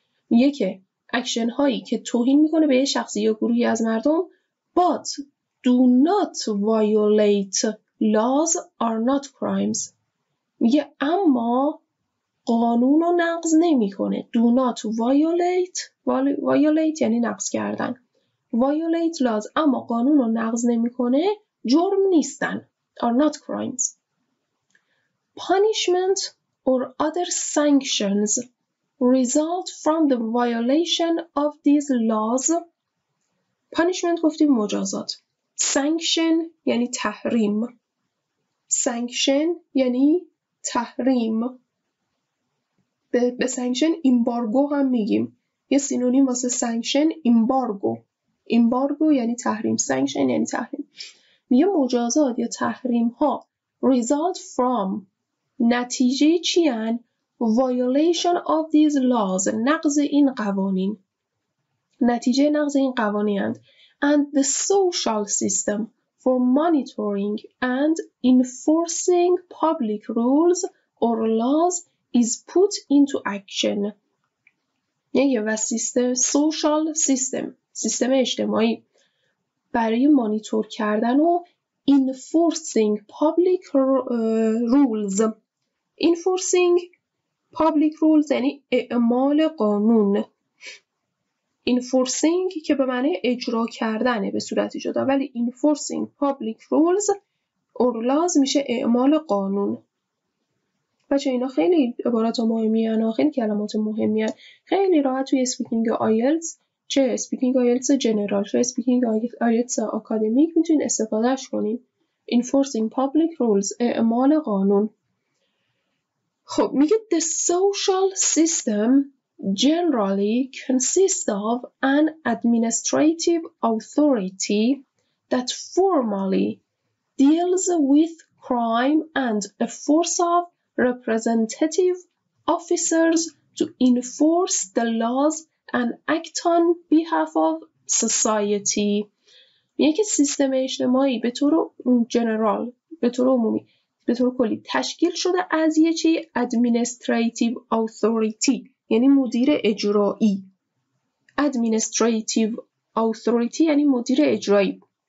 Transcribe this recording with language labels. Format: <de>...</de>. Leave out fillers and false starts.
<fa>یکه اکشن هایی که توهین میکنه به یه شخصی یا گروهی از مردم</fa> <en>but do not violate laws are not crimes.</en> <fa>میگه اما قانون رو نقض نمیکنه.</fa> <en>Do not violate. Violate</en> <fa>یعنی نقض کردن.</fa> <en>Violate laws</en> <fa>اما قانون رو نقض نمیکنه جرم نیستن.</fa> <en>Are not crimes. Punishment or other sanctions result from the violation of these laws.</en> <fa>Punishment گفتیم مجازات. Sanction یعنی تحریم. Sanction یعنی تحریم. به سانکشن امبارگو هم میگیم. یه سینونیم واسه سانکشن امبارگو. امبارگو یعنی تحریم. سانکشن یعنی تحریم. میگه مجازات یا تحریم ها</fa> <en>result from</en> <fa>نتیجه چیان</fa> <en>violation of these laws</en> <fa>نقض این قوانین. نتیجه نقض این قوانین هند.</fa> <en>And the social system for monitoring and enforcing public rules or laws is put into action.</en> <fa>یه سیستم</fa> <en>social system</en> <fa>سیستم اجتماعی برای مانیتور کردن و</fa> <en>enforcing public rules. Enforcing public rules</en> <fa>یعنی اعمال قانون. Enforcing که به معنی اجرا کردنه به صورتی جدا، ولی</fa> <en>enforcing public rules or laws</en> <fa>میشه اعمال قانون. بچه اینا خیلی عبارات مهمی هن و خیلی کلمات مهمی هن. خیلی راحت توی اسپیکینگ آیلتس، چه اسپیکینگ آیلتس جنرال، چه اسپیکینگ آیلتس آکادمیک میتونین استفادهش کنین.</fa> <en>Enforcing public rules،</en> <fa>اعمال قانون. خب میگه</fa> <en>the social system generally consists of an administrative authority that formally deals with crime and a force of representative officers to enforce the laws and act on behalf of society.</en> <fa>یک سیستم اجتماعی به طور جنرال، به طور عمومی، به طور کلی تشکیل شده از یه چی</fa> <en>administrative authority</en> <fa>یعنی مدیر اجرایی.</fa> <en>Administrative authority</en> <fa>یعنی مدیر اجرایی.</fa>